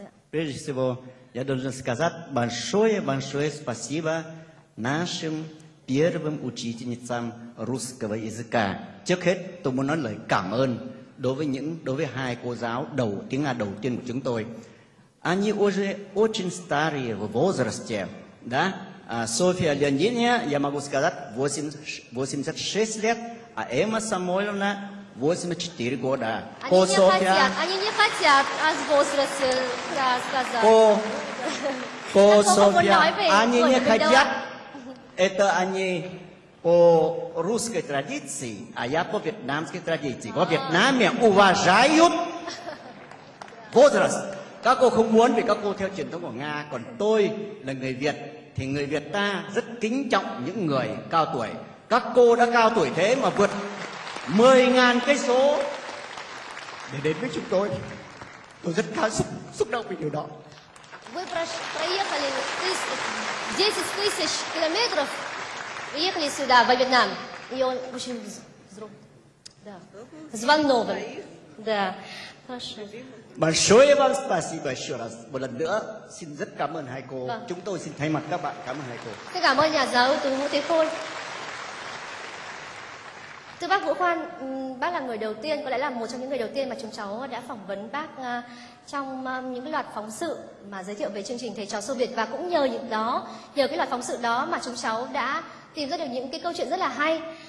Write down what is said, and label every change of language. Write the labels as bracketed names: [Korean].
[Russian] Прежде всего, я должен сказать большое-большое спасибо нашим первым учительницам русского языка. [Vietnamese] Trước hết, tôi muốn nói lời cảm ơn đối với hai cô giáo đầu tiếng Nga đầu tiên của chúng tôi. [Russian] Они уже очень старые в возрасте, да? Софья Леонидовна, я могу сказать, 86 лет, а Эмма Самойловна 84 года. Они Софья... не хотят от возраста сказать. По Софья, они не хотят. Это они по русской традиции, а я по вьетнамской традиции. Во Вьетнаме уважают возраст. [Vietnamese] Các cô không muốn vì các cô theo truyền thống của Nga, còn tôi là người Việt thì người Việt ta rất kính trọng những người cao tuổi. Các cô đã cao tuổi thế mà vượt 10.000 cây số để đến với chúng tôi rất cảm xúc động vì điều đó. [Russian] Вы проехали 10 тысяч километров, приехали сюда в Вьетнам, и он очень взрослый, да, взволнован, да, хорошо. Большое вам спасибо еще раз, [Vietnamese] một lần nữa xin rất cảm ơn hai cô. Chúng tôi xin thay mặt các bạn cảm ơn hai cô. Xin cảm ơn nhà giáo Tú Vũ Thế Khôi. Thưa bác Vũ Khoan, bác là người đầu tiên, có lẽ là một trong những người đầu tiên mà chúng cháu đã phỏng vấn bác trong những loạt phóng sự mà giới thiệu về chương trình Thầy Trò Xô Việt. Và cũng nhờ những đó, nhờ cái loạt phóng sự đó mà chúng cháu đã tìm ra được những cái câu chuyện rất là hay.